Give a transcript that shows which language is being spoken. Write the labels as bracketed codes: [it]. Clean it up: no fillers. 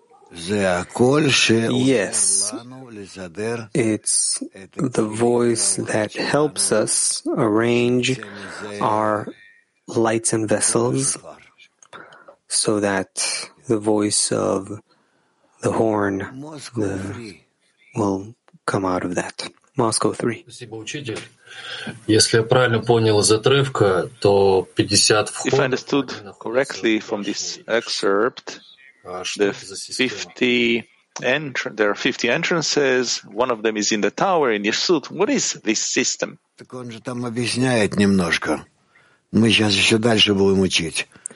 [en] Yes, it's the voice that helps us arrange our lights and vessels so that the voice of the horn will come out of that. Moscow 3. [ru] Если я правильно понял из отрывка, то 50 вход. [en] If I understood correctly from this excerpt, there are 50 entrances. One of them is in the tower in Yeshut. What is this system? [ru] Так он же там объясняет немножко. Мы сейчас еще дальше будем учить.